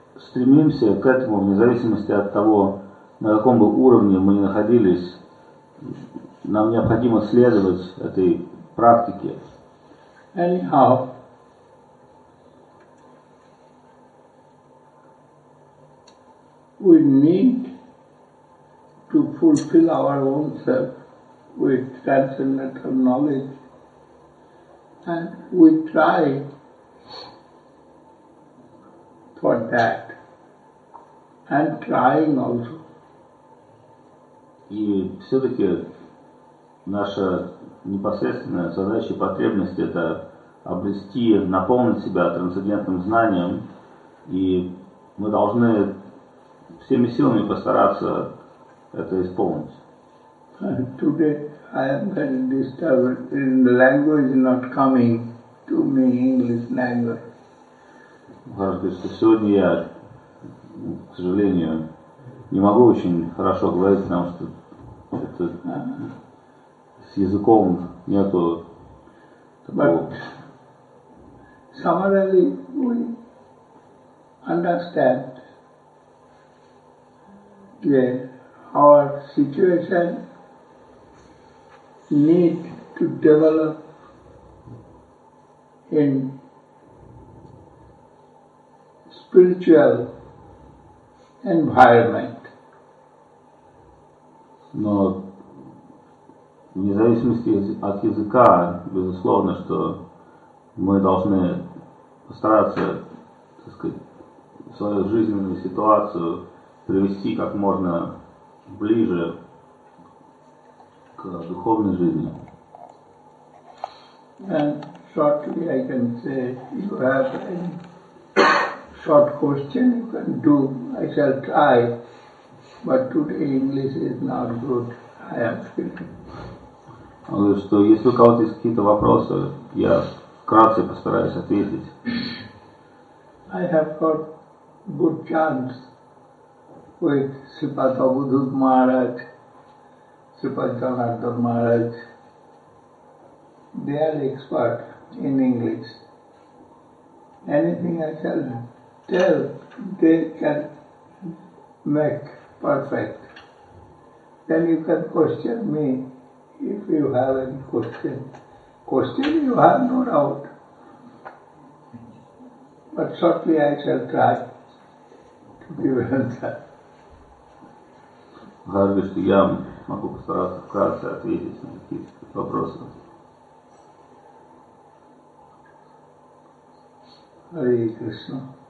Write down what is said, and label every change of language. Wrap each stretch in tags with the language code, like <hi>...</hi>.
<ru>Стремимся к этому, вне зависимости от того, на каком бы уровне мы ни находились, нам необходимо следовать этой практике.</ru> <en>Anyhow, we need to fulfill our own self with transcendental knowledge, and we try for that. And trying also.</en> <ru>И все-таки наша непосредственная задача и потребность это обрести, наполнить себя трансцендентным знанием, и мы должны всеми силами постараться это исполнить.</ru> <en>Today I am very disturbed in the language not coming to me, English language.</en> <ru>Сегодня я, к сожалению, не могу очень хорошо говорить, потому что это с языком нету такого.</ru> <en>But summarily we understand that our situation need to develop in spiritual environment.</en> <ru>Но вне зависимости от языка, безусловно, что мы должны постараться, так сказать, свою жизненную ситуацию привести как можно ближе к духовной жизни.</ru> <en>And shortly I can say you have any short question you can do, I shall try, but today English is not good, I am feeling.</en> <ru>Он говорит, что если у кого-то есть какие-то вопросы, я вкратце постараюсь ответить.</ru> <en>I have got good chance with Sripad Avadhut Maharaj, Sripad Janardhan Maharaj. They are expert in English. Anything I shall do, tell, they can make perfect. Then you can question me if you have any question. Question you have no doubt. But shortly I shall try to give an answer.</en> <ru>Разве что я могу постараться вкратце ответить на какие-то вопросы.</ru> <sa>Hare Krishna.</sa>